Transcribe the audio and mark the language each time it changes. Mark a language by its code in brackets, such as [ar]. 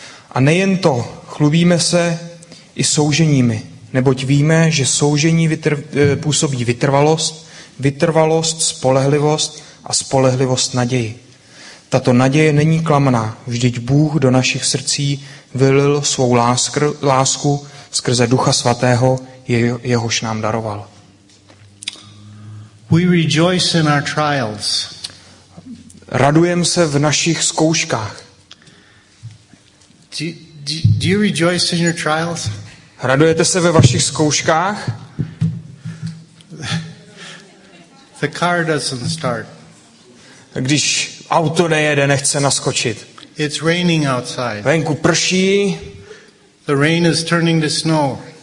[cs] A nejen to, chlubíme se i souženími, neboť víme, že soužení působí vytrvalost, vytrvalost, spolehlivost a spolehlivost naději. Tato naděje není klamná, vždyť Bůh do našich srdcí vylil svou lásku skrze Ducha Svatého, jehož nám daroval. [en] We rejoice in our trials. [cs] Radujeme se v našich zkouškách. [en] Do you rejoice in your trials? [cs] Radujete se ve vašich zkouškách? [en] The car doesn't start. [cs] Když auto nejede, nechce naskočit. [en] It's raining outside. [cs] Venku prší. [en] The rain is turning to snow.